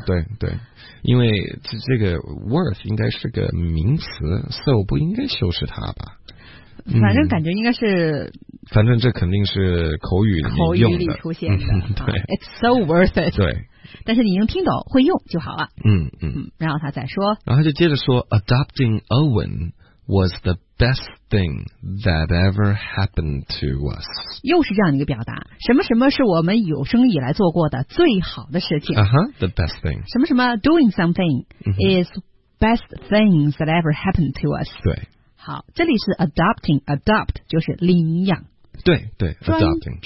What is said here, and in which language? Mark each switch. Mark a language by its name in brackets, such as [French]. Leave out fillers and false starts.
[Chinese] 对对。因为这个 worth 应该是个名词 ，so 不应该修饰它吧？反正感觉应该是。反正这肯定是口语里面用的。口语里出现的。嗯、对、 [English] 啊。It's so worth it。 [Chinese] 对。但是你能听懂会用就好了。嗯嗯。然后他再说。然后就接着说 [English] ，Adopting Owen was the best thing that ever happened to us。 [Chinese] 又是这样的一个表达，什么什么是我们有生以来做过的最好的事情。 [English] 啊哈 ，the best thing。 [Chinese] 什么什么 [English] ，doing something is best things that ever happened to us。 [Chinese] 对。好，这里是 adopt 就是领养。对对 ，adopting